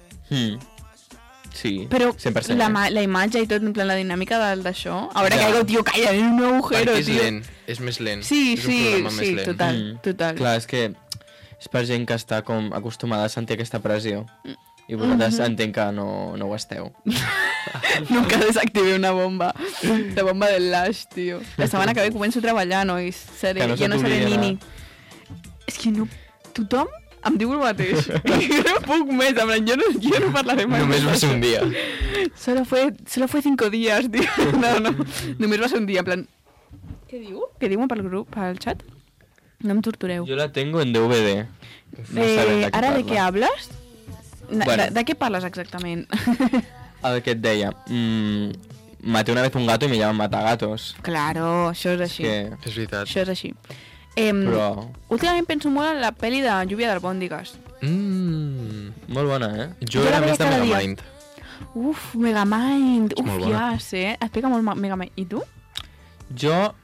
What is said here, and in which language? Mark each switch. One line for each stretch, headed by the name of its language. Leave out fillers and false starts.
Catalan: Mm. Sí, però 100%. La, la imatge i tot, en plan, la dinàmica d'això... A veure, caigo, tio, calla, és un agujero, és tio. És lent, és més lent. Sí, és sí, un programa sí, més lent. Total, total. Clar, és que és per gent que està com acostumada a sentir aquesta pressió. I vosaltres entenc que no ho esteu.
Spanish: Nunca desactivé una bomba.
Catalan: La bomba del Lash, tio. La setmana que ve començo a treballar, nois. Seré, que no ja no seré nini. És que no... Tothom... Em diu el mateix. No puc més. En plan, jo no parlaré mai. Només va ser un dia.
Spanish: Solo fue
Catalan: 5 dies, tio. No. Només va ser un dia. En plan... Què diu? Què diuen pel grup, pel chat? No em tortureu. Jo la
Spanish: tengo
Catalan: en DVD. No sé ara de què
Spanish: hables?
Catalan: Bueno. De què parles exactament? El que et deia.
Spanish: Maté una vez un gato y me llaman matagatos.
Catalan: Claro, això és així. És veritat. Això és així. Però... últimament penso molt en la pel·li de Lluvia d'Albòndigues. Molt bona, eh? Jo era més de Megamind. Uf, Megamind. És uf, ja, sé. Et pega molt Megamind. I tu? Jo...